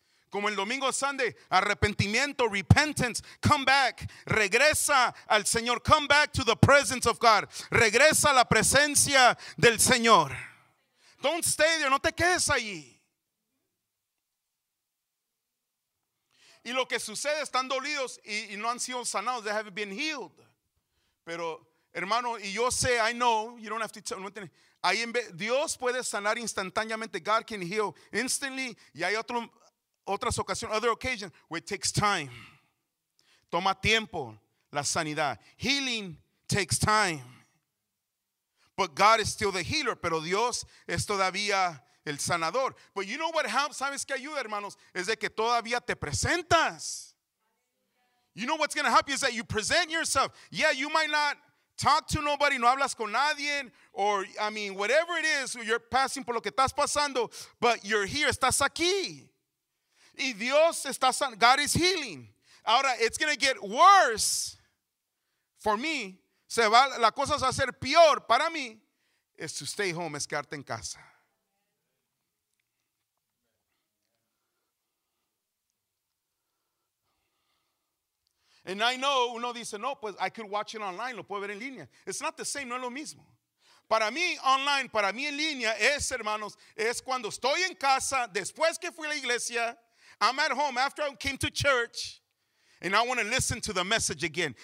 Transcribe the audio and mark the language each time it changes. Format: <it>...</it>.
<es>Como el domingo</es> <en>Sunday,</en> <es>arrepentimiento, repentance,</es> <en>come back,</en> <es>regresa al Señor,</es> <en>come back to the presence of God,</en> <es>regresa a la presencia del Señor.</es> <en>Don't stay there,</en> <es>no te quedes allí. Y lo que sucede, están dolidos y no han sido sanados,</es> <en>they haven't been healed.</en> <es>Pero hermano, y yo sé,</es> <en>I know, you don't have to tell me.</en> <es>Ahí en vez, Dios puede sanar instantáneamente,</es> <en>God can heal instantly,</en> <es>y hay otro. Otras ocasiones,</es> <en>other occasions, where it takes time.</en> <es>Toma tiempo la sanidad.</es> <en>Healing takes time. But God is still the healer.</en> <es>Pero Dios es todavía el sanador.</es> <en>But you know what helps?</en> <es>¿Sabes qué ayuda, hermanos? Es de que todavía te presentas.</es> <en>You know what's going to help you is that you present yourself. Yeah, you might not talk to nobody,</en> <es>no hablas con nadie,</es> <en>or, I mean, whatever it is, you're passing</en> <es>por lo que estás pasando,</es> <en>but you're here,</en> <es>estás aquí. Y Dios está sanando.</es> <en>God is healing. Ahora, it's going to get worse for me.</en> <es>Se va, la cosa se va a hacer peor para mí. Es</es> <en>to stay home,</en> <es>es quedarte en casa.</es> <en>And I know,</en> <es>uno dice, no, pues</es> <en>I could watch it online.</en> <es>Lo puedo ver en línea.</es> <en>It's not the same,</en> <es>no es lo mismo. Para mí, online, para mí en línea es, hermanos, es cuando estoy en casa, después que fui a la iglesia.</es> <en>I'm at home after I came to church and I want to listen to the message again.</en>